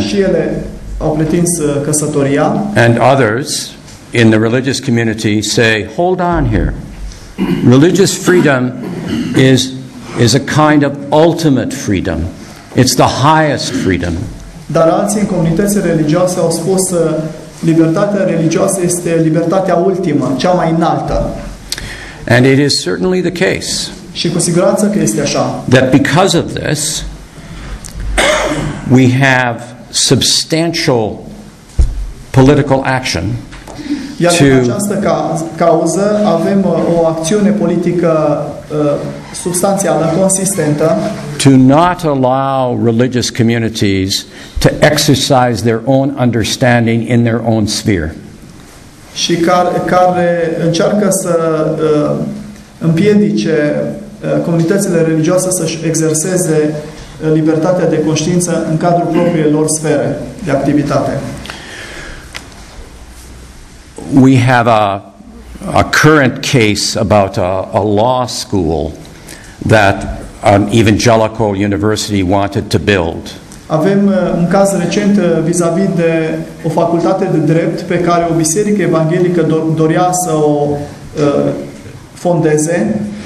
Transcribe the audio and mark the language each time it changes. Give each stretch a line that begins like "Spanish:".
Romanian: și ele au pretins căsătoria.
English: And others in the religious community say, hold on here. Religious freedom is a kind of ultimate freedom. It's the highest freedom.
Romanian: Dar alții în comunitățile religioase au spus libertatea religioasă este libertatea ultimă, cea mai înaltă.
English: And it is certainly the case.
Romanian: Și cu siguranță că este așa.
English: That because of this we have substantial political action.
Romanian: Iar în această cauză avem o acțiune politică substanțială, consistentă.
English: To not allow religious communities to exercise their own understanding in their own sphere.
Romanian: Și care încearcă să împiedice comunitățile religioase să-și exerseze libertatea de conștiință în cadrul propriei lor sfere de activitate.
English: We have a current case about a law school that an evangelical university wanted to build.
Romanian: Avem un caz recent vis-a-vis de o facultate de drept pe care o biserică evanghelică dorea să o fondeze.